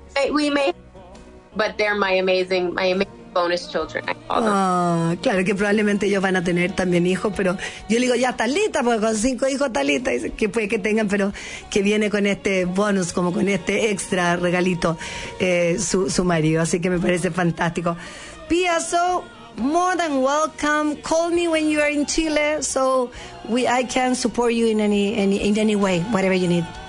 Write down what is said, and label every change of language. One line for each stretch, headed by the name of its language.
English: We may, but they're my amazing bonus children. I call them.
Spanish: Claro que probablemente ellos van a tener también hijos, pero yo le digo, ya está lista, porque con 5 hijos está lista, y que puede que tengan, pero que viene con este bonus, como con este extra regalito, su marido, así que me parece fantástico.
English: Pia, so more than welcome. Call me when you are in Chile, so I can support you in any way, whatever you need.